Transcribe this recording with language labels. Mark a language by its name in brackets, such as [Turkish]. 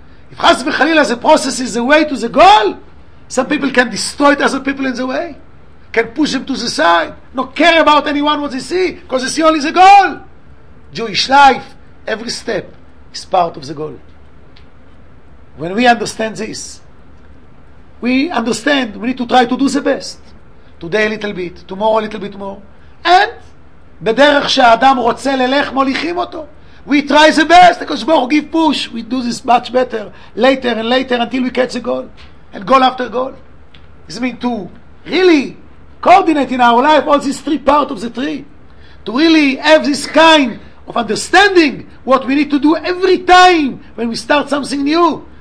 [English] If Chas v'Chalila, the process is the way to the goal, some people can destroy other people in the way, can push them to the side, not care about anyone what they see, because they see only the goal. Jewish life, every step is part of the goal. When we understand this, we understand we need to try to do the best. Today a little bit, tomorrow a little bit more. [Hebrew] And, בדרך שהאדם רוצה ללך מוליכים אותו. [English] We try the best, because we give push, we do this much better, later and later until we catch the goal. And goal after goal. This means to really coordinate in our life all these three parts of the tree. To really have this kind of understanding what we need to do every time when we start something new.